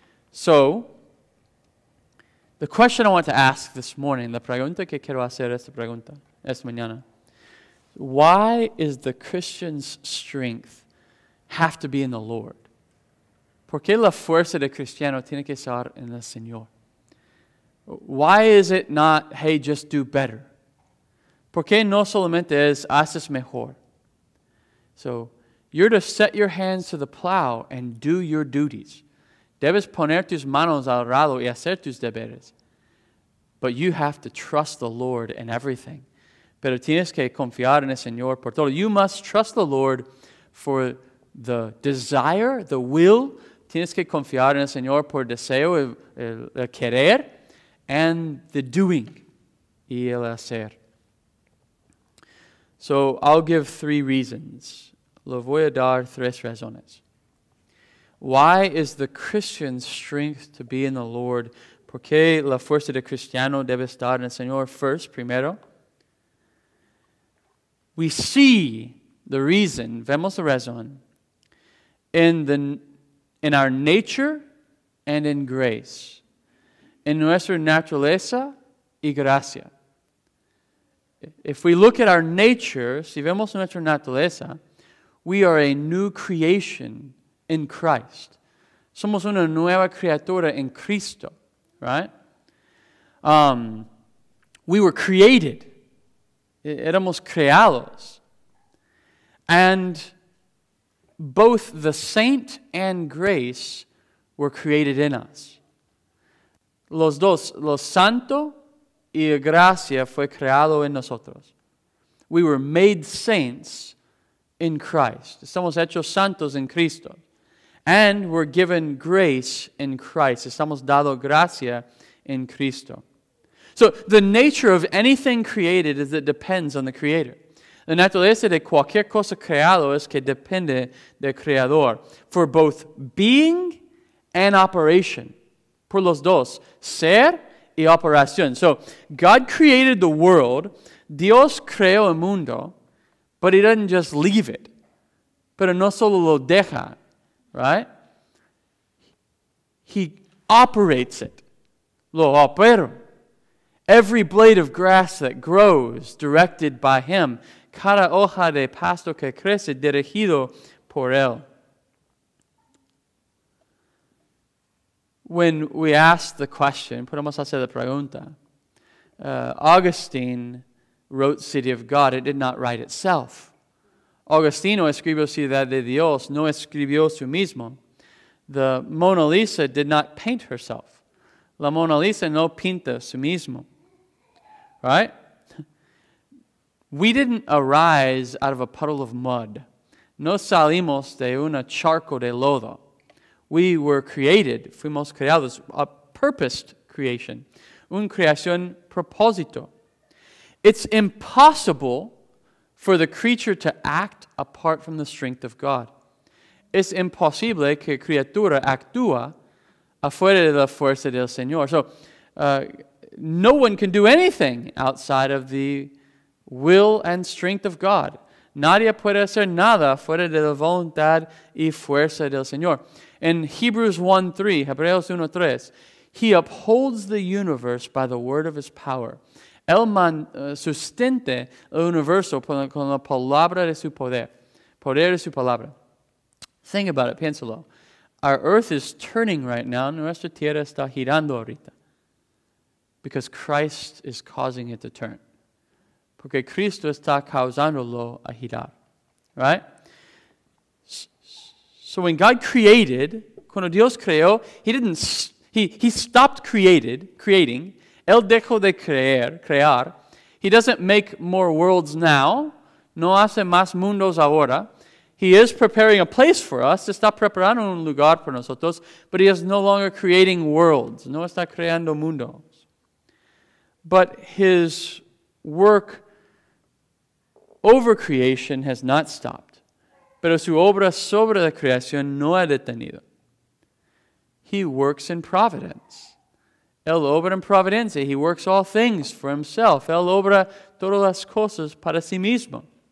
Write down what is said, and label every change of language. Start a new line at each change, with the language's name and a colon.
English: So, the question I want to ask this morning,
Spanish: la pregunta que quiero hacer esta mañana,
English: why is the Christian's strength have to be in the Lord?
Spanish: ¿Por qué la fuerza del cristiano tiene que estar en el Señor?
English: Why is it not, hey, just do better?
Spanish: ¿Por qué no solamente es, haces mejor?
English: So, you're to set your hands to the plow and do your duties.
Spanish: Debes poner tus manos al rado y hacer tus deberes.
English: But you have to trust the Lord in everything.
Spanish: Pero tienes que confiar en el Señor por todo.
English: You must trust the Lord for the desire, the will.
Spanish: Tienes que confiar en el Señor por deseo, el querer,
English: and the doing,
Spanish: y el hacer.
English: So, I'll give three reasons.
Spanish: Lo voy a dar tres razones.
English: Why is the Christian's strength to be in the Lord?
Spanish: ¿Por qué la fuerza de cristiano debe estar en el Señor?
English: First,
Spanish: primero,
English: we see the reason,
Spanish: vemos la razón,
English: in our nature and in grace.
Spanish: En nuestra naturaleza y gracia. If we look at our nature, si vemos nuestra naturaleza,
English: we are a new creation in Christ.
Spanish: Somos una nueva criatura en Cristo, right?
English: We were created.
Spanish: Éramos creados.
English: And both the saint and grace were created in us.
Spanish: Los dos, los santo y gracia fue creado en nosotros.
English: We were made saints in Christ.
Spanish: Estamos hechos santos en Cristo.
English: And we're given grace in Christ.
Spanish: Estamos dado gracia en Cristo.
English: So the nature of anything created is it depends on the Creator.
Spanish: La naturaleza de cualquier cosa creado es que depende del Creador.
English: For both being and operation.
Spanish: Por los dos. Ser y operación.
English: So God created the world.
Spanish: Dios creó el mundo.
English: But he doesn't just leave it.
Spanish: Pero no solo lo deja, right?
English: He operates it.
Spanish: Lo opera.
English: Every blade of grass that grows, directed by him.
Spanish: Cada hoja de pasto que crece, dirigido por él.
English: when we ask the question,
Spanish: podemos hacer la pregunta,
English: Augustine wrote City of God. It did not write itself.
Spanish: Augustino escribió Ciudad de Dios, no escribió su mismo.
English: The Mona Lisa did not paint herself.
Spanish: La Mona Lisa no pinta su mismo.
English: Right? We didn't arise out of a puddle of mud.
Spanish: No salimos de una charco de lodo.
English: We were created,
Spanish: fuimos creados,
English: a purposed creation.
Spanish: Un creación propósito.
English: It's impossible for the creature to act apart from the strength of God.
Spanish: Es imposible que criatura actúa afuera de la fuerza del Señor.
English: So, no one can do anything outside of the will and strength of God.
Spanish: Nadie puede hacer nada fuera de la voluntad y fuerza del Señor.
English: In Hebreos 1:3, he upholds the universe by the word of his power.
Spanish: El sustente el universo con la palabra de su poder. Poder de su palabra.
English: Think about it,
Spanish: piénsalo.
English: Our earth is turning right now.
Spanish: Nuestra tierra está girando ahorita.
English: Because Christ is causing it to turn.
Spanish: Porque Cristo está causándolo a girar. Right?
English: So when God created,
Spanish: cuando Dios creó,
English: he stopped creating.
Spanish: Él dejó de crear.
English: He doesn't make more worlds now.
Spanish: No hace más mundos ahora.
English: He is preparing a place for us.
Spanish: Está preparando un lugar para nosotros.
English: But he is no longer creating worlds.
Spanish: No está creando mundos.
English: But his work over creation has not stopped.
Spanish: Pero su obra sobre la creación no ha detenido.
English: He works in providence.
Spanish: Él obra en providencia.
English: He works all things for himself.
Spanish: Él obra todas las cosas para sí mismo.